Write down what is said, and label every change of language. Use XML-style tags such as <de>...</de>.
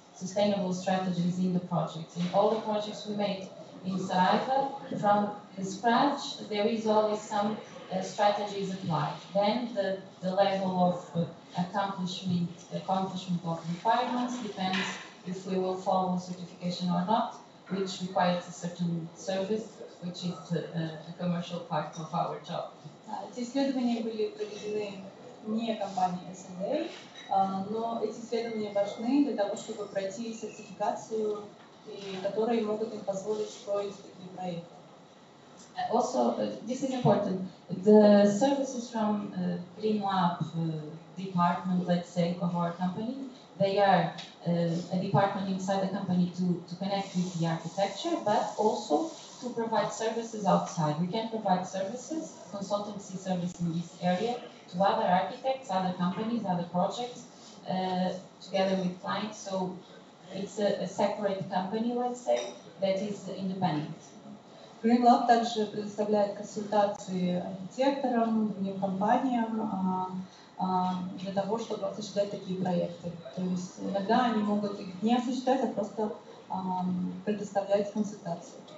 <en>sustainable strategies in the projects. In all the projects we made in Sarajevo, from the scratch, there is always some strategies applied. Then the level of accomplishment of requirements depends if we will follow certification or not, which requires a certain service, which is the commercial part of our job.</en> <ru>Эти исследования были проведены не компанией СНД, но эти исследования важны для того, чтобы пройти сертификацию, и которые могут им позволить строить такие проекты.</ru> <en>Also, this is important. The services from PrimLab department, let's say, of our company, they are a department inside the company to connect with the architecture, but also to provide services outside. We can provide services, consultancy services in this area, to other architects, other companies, other projects, together with clients. So it's a separate company, let's say, that is independent.</en> <ru>GreenLab также предоставляет консультации архитекторам, другим компаниям для того, чтобы осуществлять такие проекты. То есть иногда они могут их не осуществлять, а просто предоставлять консультации.</ru>